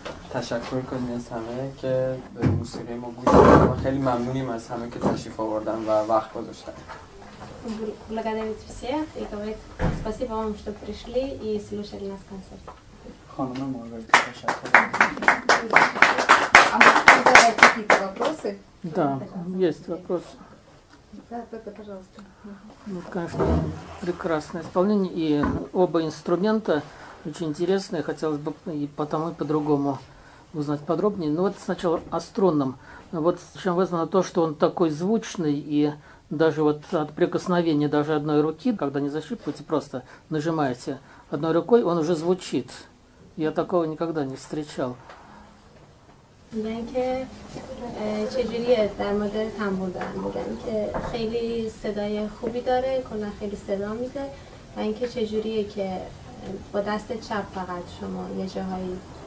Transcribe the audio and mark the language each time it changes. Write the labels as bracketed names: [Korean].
[Persian] تشکر کنی از همه که به موسیقی ما گوش دادن. خیلی ممنونیم از همه که تشریف آوردن و وقت گذاشتن. [Russian] Благодарим всех и говорит спасибо вам, что пришли и слушали нас концерт. Ханна, может, пожалуйста. А какие-то вопросы? Да, есть вопросы. Да, только, пожалуйста. Ну, конечно, прекрасное исполнение. И оба инструмента очень интересные. Хотелось бы и по тому, и по-другому узнать подробнее. Но вот сначала о струнном. Вот с чем вызвано то, что он такой звучный и даже вот от прикосновения даже одной руки, когда не защипываете, просто нажимаете одной рукой, он уже звучит. Я такого никогда не встречал. [Persian] میگن که چجوریه در مدر تنبول دارم میگن که خیلی صدای خوبی داره کلا خیلی صدا میده و اینکه چجوریه که با دست چپ فقط شما یه جاهایی